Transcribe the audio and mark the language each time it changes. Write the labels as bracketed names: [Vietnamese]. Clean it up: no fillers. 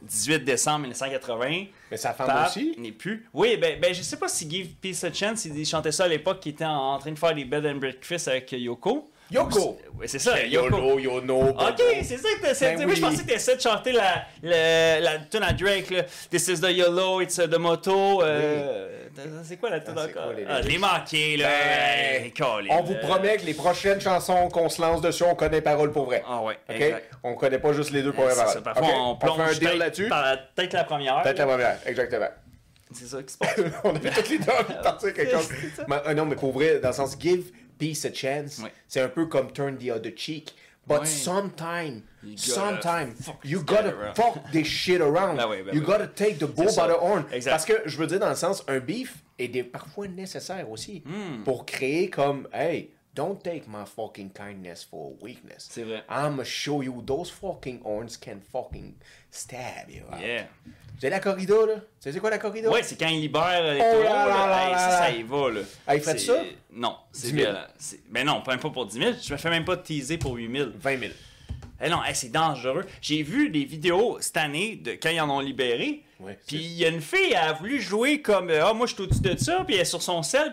[French] 18 décembre 1980. Mais sa femme aussi. N'est plus. Oui, ben je sais pas si Give Peace a Chance, il chantait ça à l'époque, qu'il était en train de faire des Bed and Breakfast avec Yoko. Yoko! Oui, c'est ça. C'est Yoko. YOLO, YOLO. Ok, c'est ça que t'as essayé. Ben oui, je pensais que tu essayais de chanter la tune à Drake, là. [English] This is the YOLO, it's the motto. [French] Oui. C'est quoi la tune encore? Je l'ai manqué, là. Ben, collé, on vous promet que les prochaines chansons qu'on se lance dessus, on connaît paroles pour vrai. Ah ouais. Okay? On ne connaît pas juste les deux premières paroles. Okay? On plonge fait un deal là-dessus. Peut-être la première. Peut-être la première, exactement. C'est ça qui se passe. On avait toutes les deux envie de partir quelque chose. Non, mais pour vrai, dans le sens give. Peace a chance, oui. C'est un peu comme [English] turn the other cheek, but [French] oui. [English] sometimes you gotta fuck this shit around, you gotta take the bull by the horn, [French] exact. Parce que je veux dire dans le sens, un beef est parfois nécessaire aussi, pour créer comme, [English] hey, don't take my fucking kindness for a weakness, [French] c'est vrai. [English] I'ma show you those fucking horns can fucking stab you out. Yeah. [French] C'est la corrida, là? C'est quoi la corrida? Ouais, c'est quand il libère les toits, là. Ça y va, là. Ah, il fait ça? Non. C'est 10 000. C'est... Ben non, même pas pour 10 000. Je me fais même pas teaser pour 8 000. 20 000. Eh non, c'est dangereux. J'ai vu des vidéos cette année de quand ils en ont libéré. Ouais, puis il y a une fille, elle a voulu jouer comme « Ah, oh, moi, je suis au-dessus de ça. » Puis elle est sur son sel.